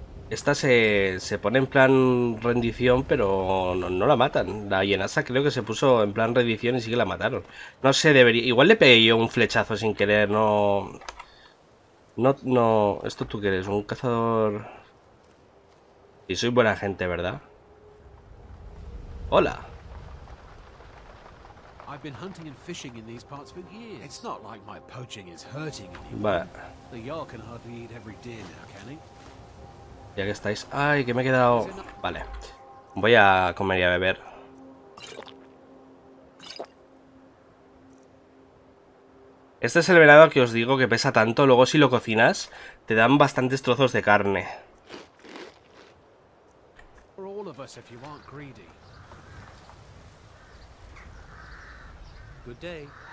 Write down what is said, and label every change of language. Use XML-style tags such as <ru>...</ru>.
<es>Esta se pone en plan rendición, pero no la matan. La Yennasa creo que se puso en plan rendición y sí que la mataron. No sé, debería... Igual le pegué yo un flechazo sin querer, no... No, no... ¿Esto tú qué eres? ¿Un cazador? Sí, soy buena gente, ¿verdad? Hola.</es> <en>I've been hunting and fishing in these parts for years. It's not like my poaching is hurting anyone. The Yar can hardly eat every deer now, can he?</en> <es>Ya que estáis, ay, que me he quedado. Vale, voy a comer y a beber. Este es el venado que os digo que pesa tanto. Luego si lo cocinas, te dan bastantes trozos de carne.</es> <en>For all of us, if you aren't greedy. Good day.</en>